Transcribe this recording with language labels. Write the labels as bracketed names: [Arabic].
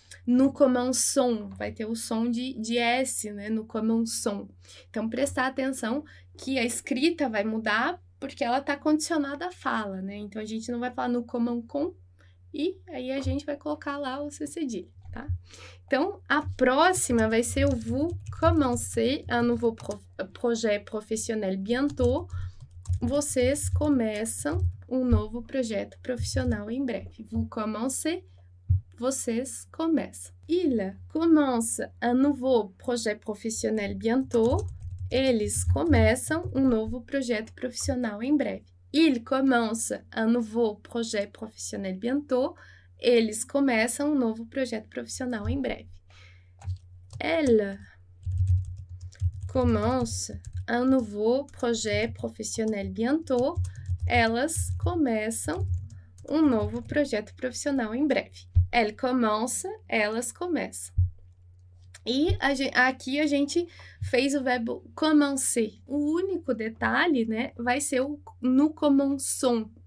[French] Nous commençons, [Portuguese] vai ter o som de S, né? [French] Nous commençons. [Portuguese] Então, prestar atenção que a escrita vai mudar porque ela está condicionada à fala, né? Então, a gente não vai falar [French] nous commençons [Portuguese] e aí a gente vai colocar lá o C cedilha, tá? Então, a próxima vai ser o [French] vous commencez un nouveau projet professionnel bientôt. [Portuguese] Vocês começam um novo projeto profissional em breve. [French] Vous commencez, [Portuguese] vocês começam. [French] Il commence un nouveau projet professionnel bientôt. [Portuguese] Eles começam um novo projeto profissional em breve. [French] Il commence un nouveau projet professionnel bientôt. [Portuguese] Eles começam um novo projeto profissional em breve. [French] Elle commence un nouveau projet professionnel bientôt. [Portuguese] Elas começam um novo projeto profissional em breve. [French] Elle commence, [Portuguese] elas começam. E aqui a gente fez o verbo commencer. O único detalhe, né, vai ser o [French] nous commençons.